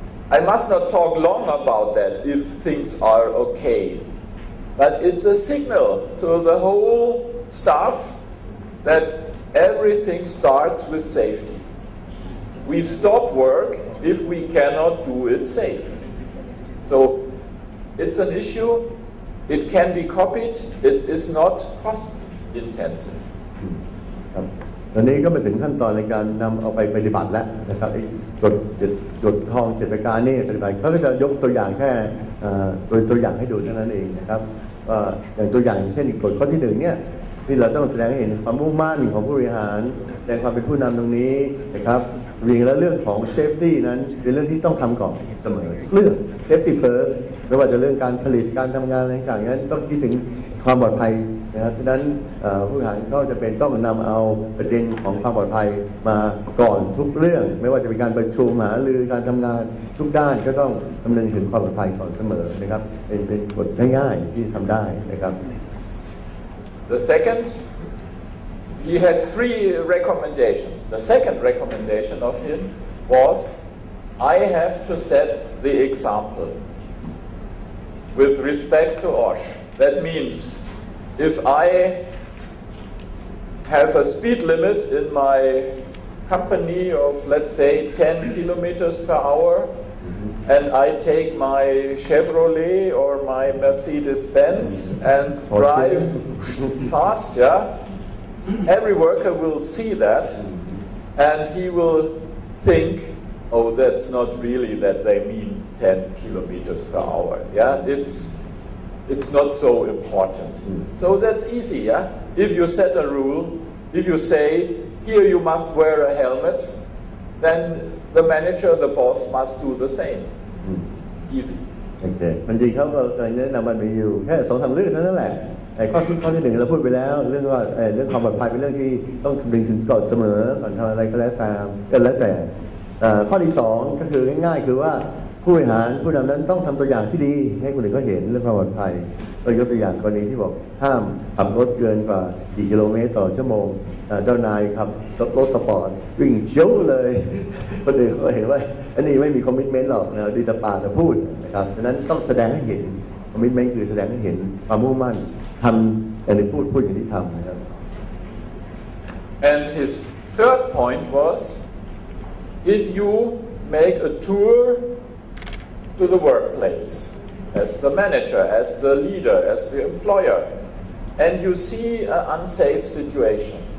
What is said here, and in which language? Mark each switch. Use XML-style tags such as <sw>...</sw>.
<en>I must not talk long about that if things are okay, but it's a signal to the whole staff that everything starts with safety. We stop work. If we cannot do it safe. So it's an issue, it can be copied, it is not cost intensive.</en> <th>ตอนนี้ก็มาถึงขั้นตอนในการนำเอาไปปฏิบัติแล้วนะครับจดทองเจตประการนี่ปฏิบัติเขาก็จะยกตัวอย่างแค่โดยตัวอย่างให้ดูเท่านั้นเองนะครับอย่างตัวอย่างเช่นกฎข้อที่หนึ่งเนี่ยที่เราต้องแสดงให้เห็นความมุ่งมั่นของผู้บริหารแสดงความเป็นผู้นำตรงนี้นะครับเรียงแล้วเรื่องของเซฟตี้นั้นเป็นเรื่องที่ต้องทำก่อนเสมอเรื่องเซฟตี้เฟิร์สไม่ว่าจะเรื่องการผลิตการทำงานอะไรต่างๆนั้นต้องคิดถึงความปลอดภัยนะครับฉะนั้น ผู้บริหารก็จะเป็นต้องนำเอาประเด็นของความปลอดภัยมาก่อนทุกเรื่องไม่ว่าจะเป็นการประชุมหารือการทำงานทุกด้านก็ต้องดำเนินถึงความปลอดภัยก่อนเสมอนะครับเป็นกฎง่ายๆที่ทำได้นะครับ</th> <en>The secondHe had 3 recommendations. The second recommendation of him was, I have to set the example with respect to OSH. That means if I have a speed limit in my company of, let's say, 10 kilometers per hour, and I take my Chevrolet or my Mercedes-Benz and drive fast, yeah,every worker will see that and he will think oh, that's not really that they mean 10 kilometers per hour. Yeah, it's not so important. Mm. So that's easy, yeah? If you set a rule, if you say, here you must wear a helmet, then the manager, the boss, must do the same. Mm. Easy. Okay.</en> <th>มันดีครับเราแนะนำมันมีอยู่แค่สองสามเรื่องนั้นแหละไอ้ข้อที่หนึ่งเราพูดไปแล้วเรื่องว่าเรื่องความปลอดภัยเป็นเรื่องที่ต้องดึงถึงก่อนเสมอก่อนทำอะไรก็แล้วตามก็แล้วแต่ ข้อที่สองก็คือง่ายๆคือว่าผู้บริหารผู้นำนั้นต้องทำตัวอย่างที่ดีให้คนอื่นเขาเห็นเรื่องความปลอดภัยเรายกตัวอย่างกรณีที่บอกห้ามขับรถเกินกว่า4กิโลเมตรต่อชั่วโมงเจ้านายขับรถสปอร์ตวิ่งเชียวเลยคนอื่นเขาเห็นว่าอันนี้ไม่มีคอมมิตเมนต์หรอกนะดีแต่ปากแต่พูดนะครับฉะนั้นต้องแสดงให้เห็นคอมมิตเมนต์คือแสดงให้เห็นความมุ่งมั่นทำอันนี้พูดอย่างที่ทำนะครับ</th> <en>And his third point was if you make a tour to the workplace as the manager, as the leader, as the employer, and you see an unsafe situation.</en>